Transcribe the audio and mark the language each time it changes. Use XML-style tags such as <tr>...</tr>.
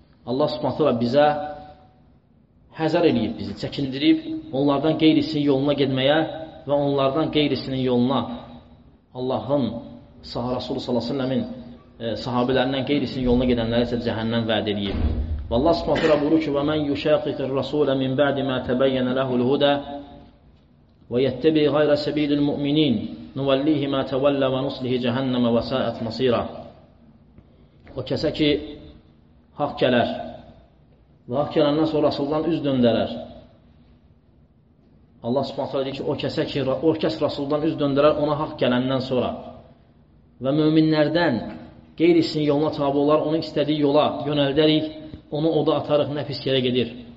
<az>Allah subhanət hala bizə həzər eləyib bizi, çəkindirib onlardan qeyrisinin yoluna getməyə və onlardan qeyrisinin yoluna Allahın Rasulü s.ə.v-in sahabilərindən qeyrisinin yoluna gedənlərə isə cəhənnəm vəd eləyib.</az> <ar>Və Allah subhanət hala buyurur ki, وَمَنْ يُشَاقِقِ الرَّسُولَ مِنْ بَعْدِ مَا تَبَيَّنَ لَهُ الْهُدَى وَيَتَّبِي غَيْرَ سَبِيلِ الْمُؤْمِنِينَ نُوَلِّيهِ مَا تَوَلَّى وَنُصْلِهِ جَهَنَّمَ وَسَاءَتْ مَصِيرًا.</ar> <az>O kəsə ki, haq gələr və haq gələndən sonra Rasuldan üz döndərər. Allah subhanahu deyir ki, o kəs Rasuldan üz döndərər ona haq gələndən sonra və möminlərdən qeyrisinin yoluna tabi olar, onu istədiyi yola yönəldərik, onu oda atarıq, nə pis yerə gedir.</az>